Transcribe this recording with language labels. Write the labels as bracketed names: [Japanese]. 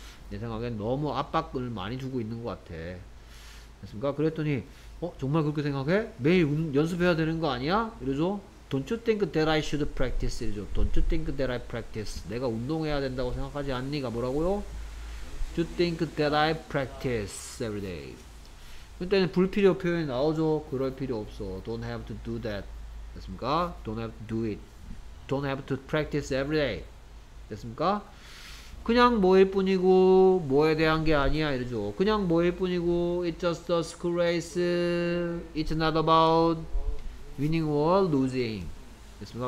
[Korean] 내 생각엔 너무 압박을 많이 주고 있는 것 같아. 됐습니까? 그랬더니 정말 그렇게 생각해? 매일 연습해야 되는 거 아니야? 이러죠. [English] Don't you think that I should practice? 이러죠. Don't you think that I practice? [Korean] 내가 운동해야 된다고 생각하지 않니가 뭐라고요? [English] Do you think that I practice every day? [Korean] 그때는 불필요 표현이 나오죠. 그럴 필요 없어. [English] Don't have to do that. [Korean] 됐습니까? [English] Don't have to do it. Don't have to practice every day. [Korean] 됐습니까? 그냥 뭐일 뿐이고 뭐에 대한 게 아니야 이러죠. 그냥 뭐일 뿐이고 [English] It's just a school race. It's not about Winning or losing. [Korean] 됐습니까?